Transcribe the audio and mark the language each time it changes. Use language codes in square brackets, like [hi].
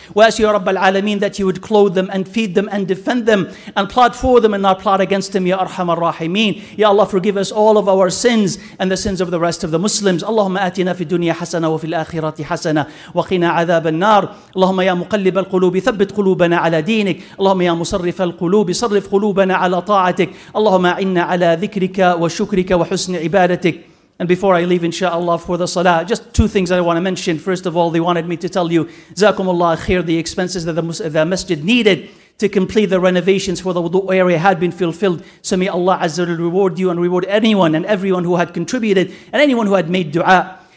[en] We ask you, Ya Rabbal Alameen, that you would clothe them and feed them and defend them and plot for them and not plot against them, Ya Arham Ar-Rahimeen. Ya Allah, forgive us all of our sins and the sins of the rest of the Muslims. [ar] Allahumma atina fi dunya hasana wa fil akhirati hasana wa qina adhab an-nar. Allahumma ya muqallib al-qulubi thabbit quluban على دينك. اللهم يا مصرف القلوب صرف قلوبنا على طاعتك. اللهم إنا على ذكرك وشكرك وحسن عبادتك. [en] And before I leave, inshallah, for the salah, just two things that I want to mention. First of all, they wanted me to tell you, Zakum Allah khair, the expenses that the masjid needed to complete the renovations for the wudu area had been fulfilled. So may Allah Azza wa Jalla reward you and reward anyone and everyone who had contributed and anyone who had made dua.